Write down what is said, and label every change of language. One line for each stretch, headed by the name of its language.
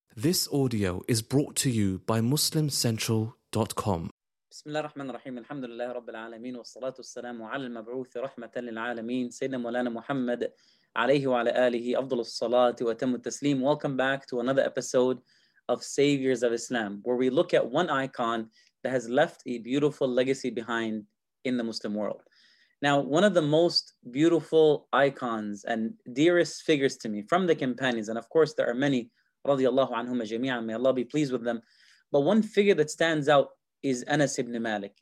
English: This audio is brought to you by MuslimCentral.com.
Arabic: بسم الله الرحمن الرحيم الحمد لله رب العالمين والصلاة والسلام على المبعوث رحمة للعالمين سيدنا مولانا محمد عليه وعلى آله أفضل الصلاة وأتم التسليم.
English: Welcome back to another episode of Saviors of Islam, where we look at one icon that has left a beautiful legacy behind in the Muslim world. Now, one of the most beautiful icons and dearest figures to me from the companions, and of course there are many, radiallahu anhuma jami'an, may Allah be pleased with them, but one figure that stands out is Anas ibn Malik.